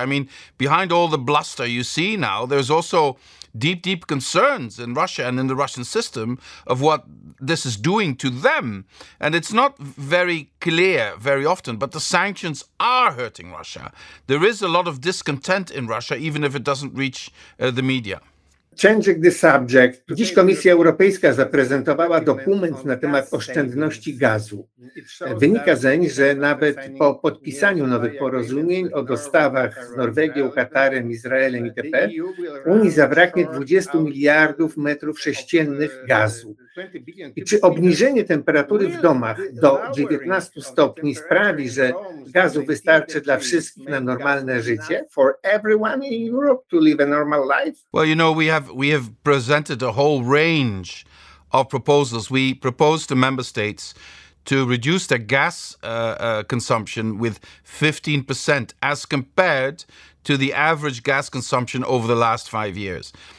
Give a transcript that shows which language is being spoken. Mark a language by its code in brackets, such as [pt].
[en] I mean, behind all the bluster you see now, there's also deep, deep concerns in Russia and in the Russian system of what this is doing to them. And it's not very clear very often, but the sanctions are hurting Russia. There is a lot of discontent in Russia, even if it doesn't reach the media. Changing the subject. [pl] Dziś Komisja Europejska zaprezentowała dokument na temat oszczędności gazu. Wynika zeń, że nawet po podpisaniu nowych porozumień o dostawach z Norwegią, Katarem, Izraelem itp. Unii zabraknie 20 miliardów metrów sześciennych gazu. I czy obniżenie temperatury w domach do 19 stopni sprawi, że gazu wystarczy dla wszystkich na normalne życie? [en] For everyone in Europe to live a normal life? Well, you know, we have presented a whole range of proposals. We propose to member states to reduce their gas consumption with 15% as compared to the average gas consumption over the last 5 years.